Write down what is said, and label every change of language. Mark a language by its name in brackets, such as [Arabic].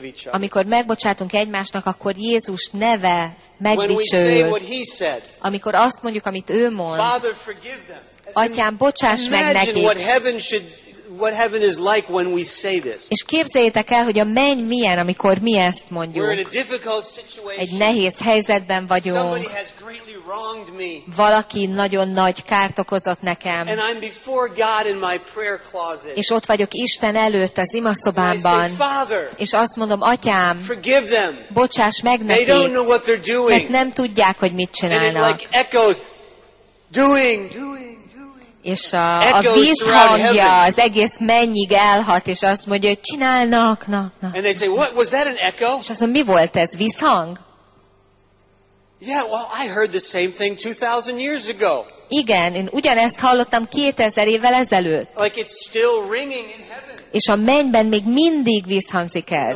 [Hungarian] Amikor megbocsátunk egymásnak, akkor Jézus neve megdicsőül. Amikor azt mondjuk, amit ő mond, Atyám, bocsáss meg nekik. [English] what heaven is like when we say this. [Hungarian] És képzeljétek el, hogy a menny milyen, amikor mi ezt mondjuk. [English] We're in a difficult situation. [Hungarian] Egy nehéz helyzetben vagyunk. [English] Somebody has greatly wronged me. [Hungarian] Valaki nagyon nagy kárt okozott nekem. [English] And I'm before God in my prayer closet. [Hungarian] És ott vagyok Isten előtt az imaszobámban. És azt mondom, Atyám, [English] forgive them. [Hungarian] Bocsáss meg nekik. [English] They don't know what they're doing. [Hungarian] Mert nem tudják, hogy mit csinálnak. [English] And it like echoes, doing, doing. [Hungarian] És a víz hangja az egész mennyig elhat, és azt mondja, hogy csinálnak, nak. [English] And they say, what, was that an echo? [Hungarian] És azt mondja, mi volt ez, vízhang? [English] Yeah, well, I heard the same thing 2000 years ago. [Hungarian] Igen, én ugyanezt hallottam 2000 évvel ezelőtt. [English] Like it's still ringing in heaven. [Hungarian] És a mennyben még mindig vízhangzik ez.